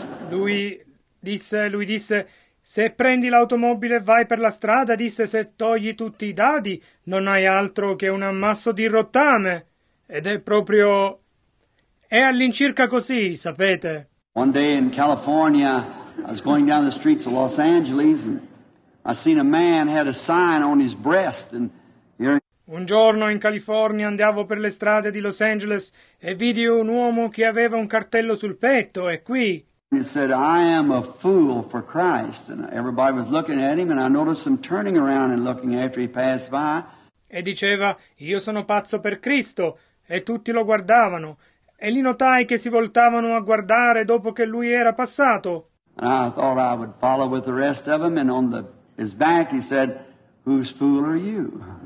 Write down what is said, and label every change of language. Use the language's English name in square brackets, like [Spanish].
[Italian] Lui disse, se prendi l'automobile e vai per la strada, disse, se togli tutti i dadi, non hai altro che un ammasso di rottame. Ed è proprio... è all'incirca così, sapete. [English] One day in California, I was going down the streets of Los Angeles, and I seen a man had a sign on his breast. And here... [Italian] Un giorno in California andavo per le strade di Los Angeles e vidi un uomo che aveva un cartello sul petto, è qui. [English] He said, I am a fool for Christ. And everybody was looking at him and I noticed him turning around and looking after he passed by. [Italian] E diceva, io sono pazzo per Cristo. E tutti lo guardavano. E li notai che si voltavano a guardare dopo che lui era passato. [English] And I thought I would follow with the rest of them, and on the, his back he said, whose fool are you?